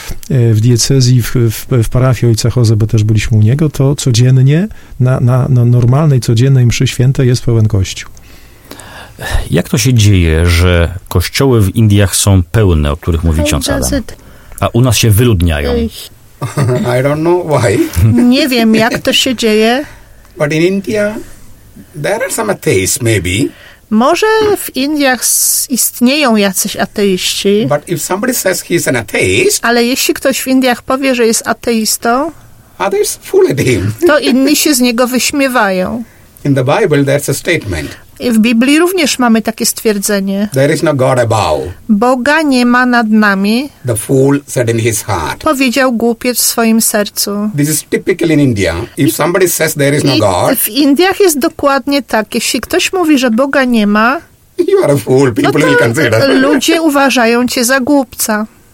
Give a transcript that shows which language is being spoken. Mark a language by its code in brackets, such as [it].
[pl] W diecezji, w parafii ojca Jose, bo też byliśmy u niego, to codziennie, na normalnej, codziennej mszy świętej jest pełen kościół. Jak to się dzieje, że kościoły w Indiach są pełne, o których mówi ksiądz Adam, a u nas się wyludniają? [en] I don't know why. [pl] Nie wiem, jak to się dzieje. [en] But in India, there are some atheists, maybe. [pl] Może w Indiach istnieją jacyś ateiści. [en] But if somebody says he is an atheist, [pl] ale jeśli ktoś w Indiach powie, że jest ateistą, [en] others fool at him. [pl] To inni się z niego wyśmiewają. [en] In the Bible, there's a statement. [pl] I w Biblii również mamy takie stwierdzenie. [en] There is no God above. [pl] Boga nie ma nad nami. [en] The fool said in his heart. [pl] Powiedział głupiec w swoim sercu. [en] This is typical in India. If somebody says there is no God. [pl] W Indiach jest dokładnie tak. Jeśli ktoś mówi, że Boga nie ma, [en] you are a fool. People will consider. [pl] Ludzie uważają cię za głupca.